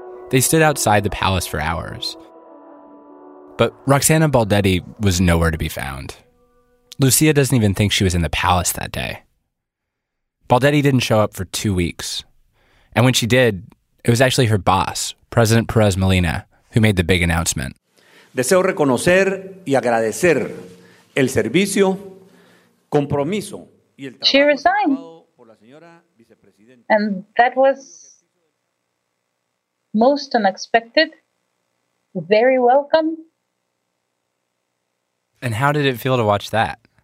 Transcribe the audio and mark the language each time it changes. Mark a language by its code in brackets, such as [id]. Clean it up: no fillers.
[en] They stood outside the palace for hours. But Roxana Baldetti was nowhere to be found. Lucia doesn't even think she was in the palace that day. Baldetti didn't show up for 2 weeks. And when she did, it was actually her boss, President Perez Molina, who made the big announcement. [es] Deseo reconocer y agradecer el servicio, compromiso y el trabajo. [en] She resigned. And that was most unexpected, very welcome. And how did it feel to watch that?